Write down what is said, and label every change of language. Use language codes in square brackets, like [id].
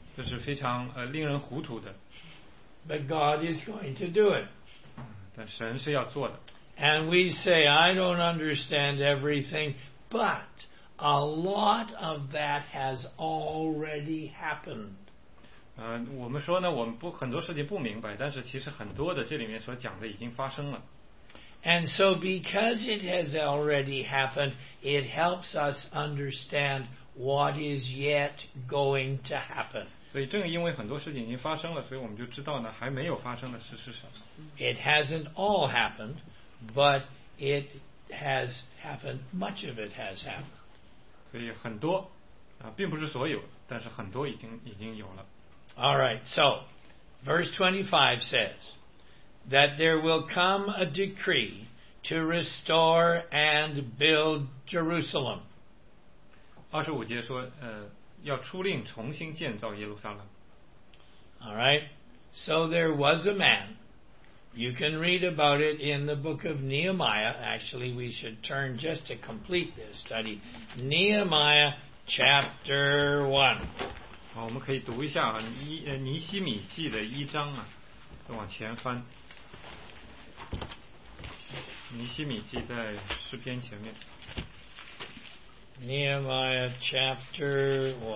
[zh] 这是非常令人糊涂的。 [en] But God is going to do it. [zh] 但神是要做的。 [en] And we say, I don't understand everything, but a lot of that has already happened. [zh] 我们说呢，我们不很多事情不明白，但是其实很多的这里面所讲的已经发生了。 [en] And so because it has already happened, it helps us understand what is yet going to happen. [zh] 所以正因为很多事情已经发生了，所以我们就知道呢，还没有发生的事是什么。 [en] It hasn't all happened, but it has happened, much of it has happened. [zh] 所以很多，并不是所有，但是很多已经有了。 [en] All right, so verse 25 says,that there will come a decree to restore and build Jerusalem. [zh] 25节说，要出令重新建造耶路撒冷。 [en] All right. So there was a man. You can read about it in the book of Nehemiah. Actually, we should turn just to complete this study. Nehemiah chapter 1. [zh] 好，我们可以读一下尼希米记的一章啊，再往前翻。尼希米记在诗篇前面。 [en] Nehemiah chapter 1。